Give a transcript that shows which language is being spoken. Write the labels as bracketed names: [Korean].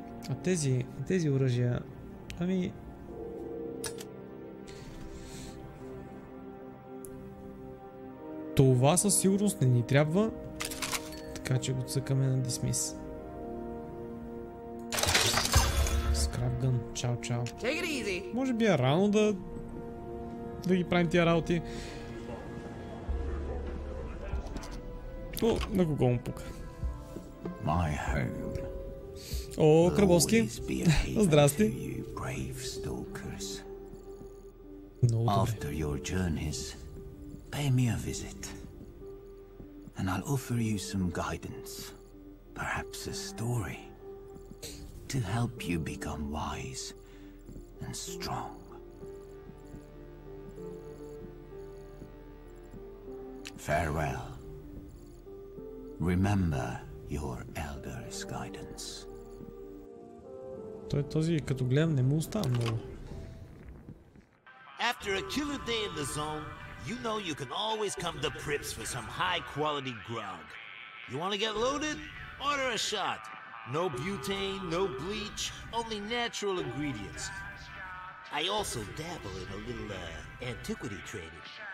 [Bulgarian] А тези оръжия... Ами... Това със сигурност не ни трябва. Така че го цъкаме на дисмис. Скрап гън, чао чао. Може би е рано да ги правим тия работи. О, на кого му пука? [English] My home. [Bulgarian] О, Кръбовски. Здрасти. [English] Brave stalkers. After your journeys, pay me a visit, and I'll offer you some guidance, perhaps a story, to help you become wise and strong. Farewell. Remember your elder's guidance. [Bulgarian] Този, като гледам, не му остава много. [English] After a killer day in the zone, you know you can always come to Prips for some high quality grog. You want to get loaded? Order a shot. No butane, no bleach, only natural ingredients. I also dabble in a little antiquity trading.